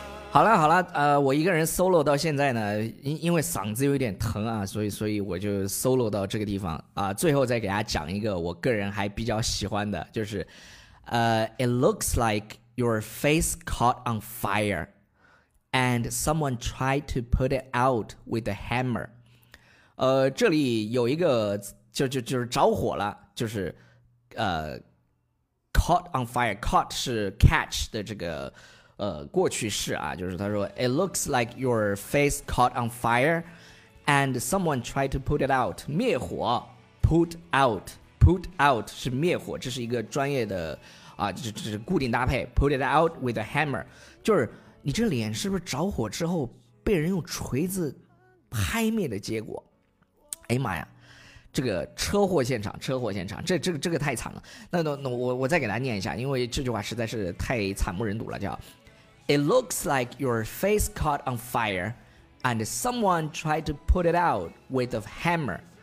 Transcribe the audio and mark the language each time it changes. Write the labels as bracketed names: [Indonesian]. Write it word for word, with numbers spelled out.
[Chinese] 好了好了，呃，我一个人 solo 到现在呢，因因为嗓子有点疼啊，所以所以我就 solo 到这个地方啊。最后再给大家讲一个我个人还比较喜欢的，就是，呃 [English] ，It looks like your face caught on fire, and someone tried to put it out with a hammer。 [Chinese] 呃，这里有一个就就就是着火了，就是呃 ，caught on fire。 caught 是 catch 的这个。呃，过去式啊，就是他说 [English] It looks like your face caught on fire and someone tried to put it out。 [Chinese] 灭火 Put out Put out 是灭火，这是一个专业的啊，这是固定搭配。 [English] Put it out with a hammer [Chinese] 就是你这脸是不是着火之后被人用锤子拍灭的结果。哎呀妈呀，这个车祸现场，车祸现场，这这个这个太惨了。那那那我我再给大家念一下，因为这句话实在是太惨不忍睹了，叫 [English] It looks like your face caught on fire, and someone tried to put it out with a hammer.